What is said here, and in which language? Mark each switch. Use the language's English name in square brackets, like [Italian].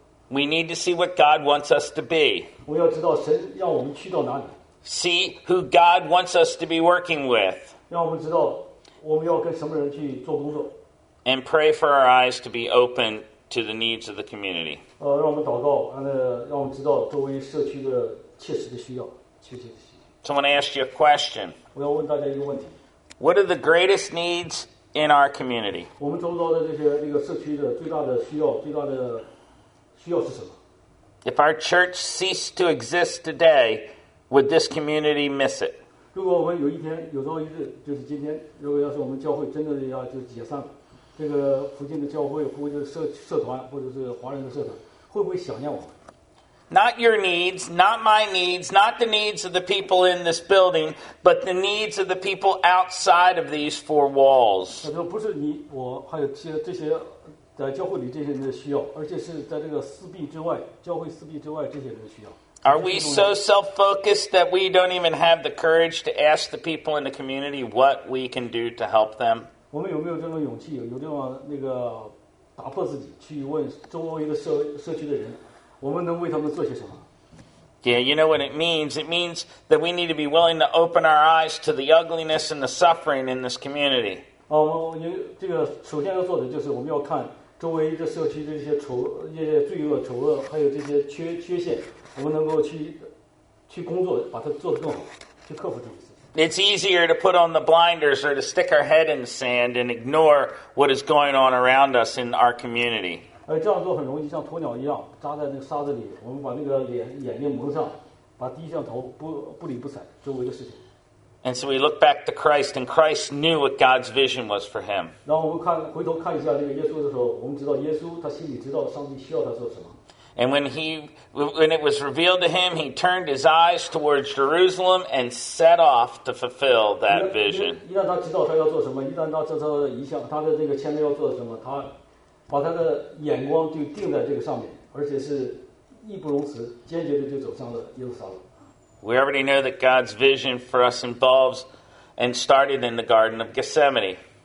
[English] We need to see what God wants us to be. [Chinese] 我要知道神要我们去到哪里。 [English] See who God wants us to be working with. [Chinese] 让我们知道我们要跟什么人去做工作。 [English] And pray for our eyes to be open to the needs of the community. [Chinese] 让我们祷告，让我们知道周围社区的切实的需要，切切的需要。 [English] Someone asked you a question. [Chinese] 我要问大家一个问题。 [English] What are the greatest needs? In our community, [Chinese] 我们周遭的这些那个社区的最大的需要，最大的需要是什么 [English] ？If our church ceased to exist today, would this community miss it? [Chinese] 如果我们有一天，有朝一日，就是今天，如果要是我们教会真的要就解散了，这个附近的教会或者社团或者是华人的社团，会不会想念我们？ [English] Not your needs, not my needs, not the needs of the people in this building, but the needs of the people outside of these four walls. [Chinese] 不是你我还有这些在教会里这些人的需要，而且是在这个四壁之外，教会四壁之外这些人的需要。 [English] Are we so self-focused that we don't even have the courage to ask the people in the community what we can do to help them? [Chinese] 我们有没有这种勇气，有这种那个打破自己去问周围的社区的人？我们能为他们做些什么？ [English] Yeah, you know what it means. It means that we need to be willing to open our eyes to the ugliness and the suffering in this community. [Chinese] 这个首先要做的就是我们要看周围这社区的这些罪恶、丑恶，还有这些缺陷，我们能够去工作，把它做得更好，去克服这些。 [English] It's easier to put on the blinders or to stick our head in the sand and ignore what is going on around us in our community. [Chinese] 这样做很容易，像鸵鸟一样扎在那个沙子里。我们把那个眼睛蒙上，把低下头，不理不睬周围的事情。 [English] And so we look back to Christ, and Christ knew what God's vision was for him. [Chinese] 然后我们回头看一下那个耶稣的时候，我们知道耶稣他心里知道上帝需要他做什么。 [English] And when it was revealed to him, he turned his eyes towards Jerusalem and set off to fulfill that vision. We already know that God's vision for us involves and started in the Garden of Gethsemane.